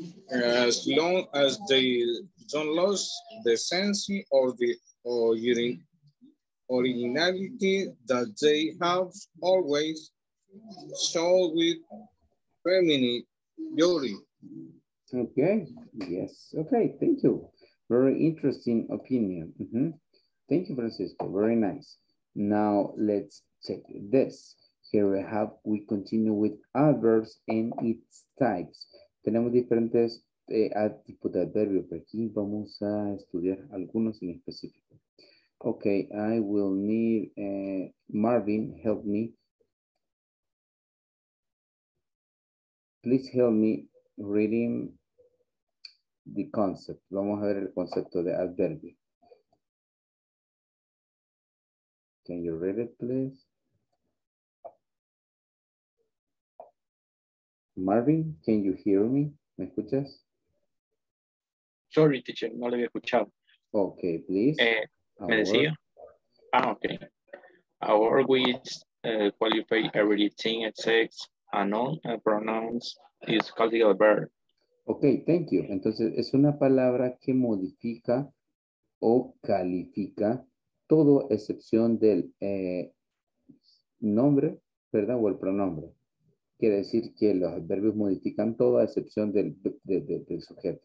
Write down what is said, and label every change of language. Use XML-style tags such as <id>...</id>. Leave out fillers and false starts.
<en>As long as they don't lose the sense of the originality that they have always shown with feminine beauty. Okay, yes. Okay, thank you. Very interesting opinion. Mm-hmm. Thank you, Francisco. Very nice. Now let's check this. Here we continue with adverbs and its types.</en> <es>Tenemos diferentes tipos de adverbios, pero aquí vamos a estudiar algunos en específico.</es> <en>Okay, I will need Marvin, help me. Please help me reading the concept.</en> <es>Vamos a ver el concepto de adverbio.</es> <en>Can you read it, please? Marvin, can you hear me?</en> <es>¿Me escuchas? Sorry, teacher, no le había escuchado.</es> <en>Okay, please.</en> <es>¿Me decía? Ah, okay.</es> <en>Our words qualify everything except a noun, a pronoun is called the verb. Okay, thank you.</en> <es>Entonces, es una palabra que modifica o califica todo excepción del nombre, ¿verdad? O el pronombre. Quiere decir que los adverbios modifican todo a excepción del sujeto.</es>